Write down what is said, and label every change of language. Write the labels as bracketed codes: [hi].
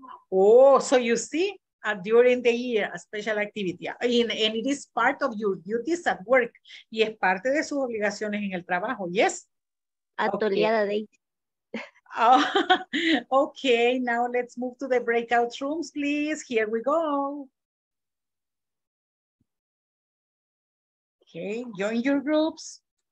[en] Oh, so you see, during the year, a special activity. And it is part of your duties at work. [es] Y es parte de sus obligaciones en el trabajo, yes? [en] Atoleada day. Oh, okay, now let's move to the breakout rooms, please. Here we go. Okay, join your groups.